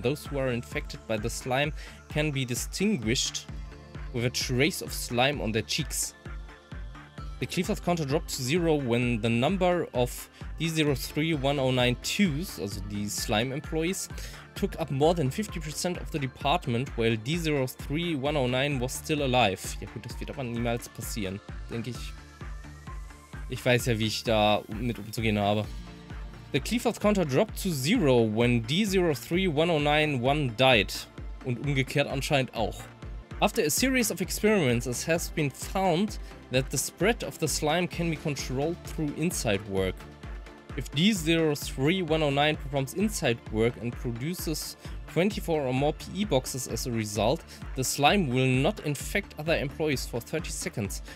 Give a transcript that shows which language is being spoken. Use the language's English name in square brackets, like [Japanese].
[English] Those who are infected by the slime can be distinguished with a trace of slime on their cheeks. The Clifford counter dropped to zero when the number of D031092s, also the slime employees, took up more than 50% of the department, while D031091 was still alive. [German] Ja gut, das wird aber niemals passieren, denke ich. Ich weiß ja, wie ich da mit umzugehen habe. [English] The Clifford counter dropped to zero when D031091 died. [German] Und umgekehrt anscheinend auch. [English] After a series of experiments, it has been found that the spread of the slime can be controlled through inside work. If D031091 performs inside work and produces 24 or more PE boxes as a result, the slime will not infect other employees for 30 seconds.